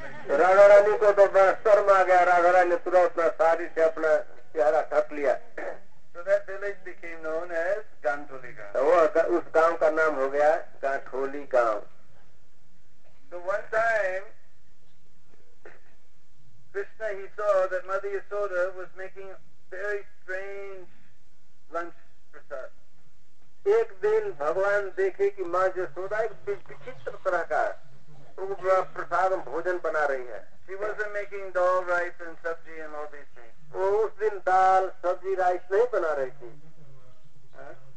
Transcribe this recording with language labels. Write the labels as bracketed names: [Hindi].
[Hindi] राधा रानी को तो बड़ा शर्म आ गया. राधा रानी ने तुरंत अपना साड़ी से अपना चेहरा ढक लिया. [English] So that village became known as Gantholi [Hindi] गांव. तो उस गांव का नाम हो गया गांठोली गांव. [English] So one time, Krishna he saw that Mother Yashoda was making very strange lunch prasad. [Hindi] एक दिन भगवान देखे कि माँ यशोदा एक विचित्र तरह का उग्र प्रसाद भोजन बना रही है. [English] She wasn't making dal, rice, and sabji and all these things. [Hindi] वो उस दिन दाल, सब्जी, राइस नहीं बना रही थी.